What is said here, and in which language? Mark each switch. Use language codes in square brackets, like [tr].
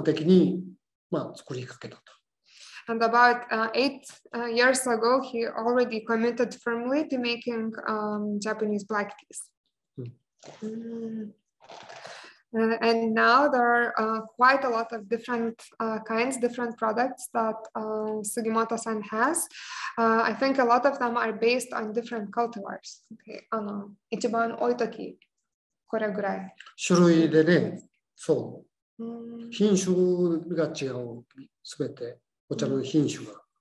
[ja] まあそうして8年ぐらい前から本格的に作りかけたと。 [en] And about 8 years ago, he already committed firmly to making Japanese black teas. And now there are quite a lot of different kinds, different products that Sugimoto-san has. I think a lot of them are based on different cultivars. [ja] Okay.あの、一番多い時、これぐらい。種類でね、そう。品種が違う、すべてお茶の品種が。